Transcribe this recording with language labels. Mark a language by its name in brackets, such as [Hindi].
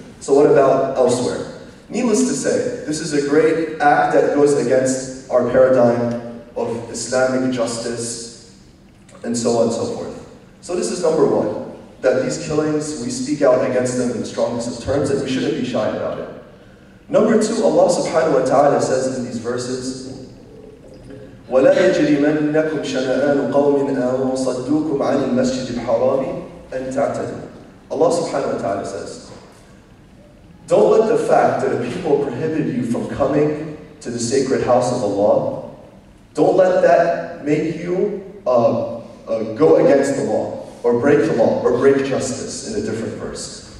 [English] So what about elsewhere? Needless to say, this is a great act that goes against our paradigm of Islamic justice, and so on and so forth. So this is number one, that these killings, we speak out against them in the strongest of terms, and we shouldn't be shy about it. Number two, Allah subhanahu wa ta'ala says in these verses, [Arabic] وَلَا يَجْرِمَنَّكُمْ شَنَآنُ قَوْمٍ أَن صَدُّوكُمْ عَنِ الْمَسْجِدِ الْحَرَامِ أَن تَعْتَدُوا. [English] Allah subhanahu wa ta'ala says, don't let the fact that a people prohibited you from coming to the sacred house of Allah, don't let that make you go against the law, or break the law, or break justice in a different verse.